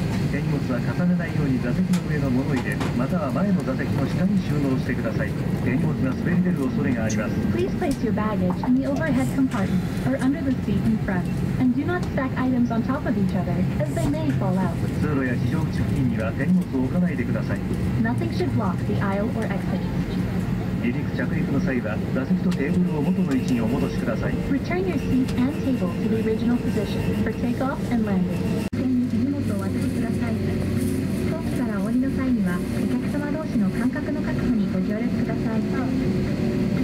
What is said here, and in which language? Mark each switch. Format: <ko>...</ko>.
<ja>手荷物は重ねないように座席の上の物入れ、または前の座席の下に収納してください。手荷物が滑り出る恐れがあります。</ja> <en>Please place your baggage in the overhead compartment or under the seat in front and do not stack items on top of each other as they may fall out.</en> <ja>通路や非常口付近には手荷物を置かないでください。</ja> <en>Nothing should block the aisle or exit.</en> <ja>離陸着陸の際は座席とテーブルを元の位置にお戻しください。</ja> <en>Return your seat and table to the original position for takeoff and landing.</en> <ja>手荷物を渡してください。飛行機から降りの際にはお客様同士の間隔の確保にご協力ください。</ja>